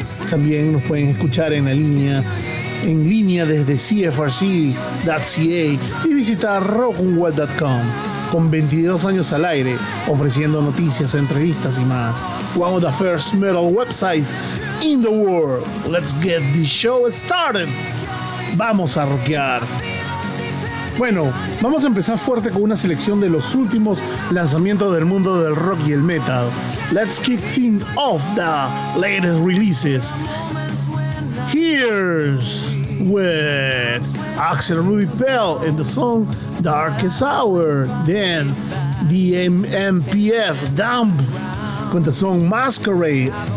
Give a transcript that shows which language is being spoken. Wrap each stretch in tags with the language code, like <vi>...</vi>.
<es>También nos pueden escuchar en línea desde CFRC.ca y visitar rockunweb.com. Con 22 años al aire, ofreciendo noticias, entrevistas y más.</es> <en>One of the first metal websites in the world. Let's get this show started.</en> <es>Vamos a rockear. Bueno, vamos a empezar fuerte con una selección de los últimos lanzamientos del mundo del rock y el metal.</es> <en>Let's kick things off the latest releases. Here's with Axel Rudi Pell and the song Darkest Hour. Then the MMPF Dump with the song Masquerade.</en>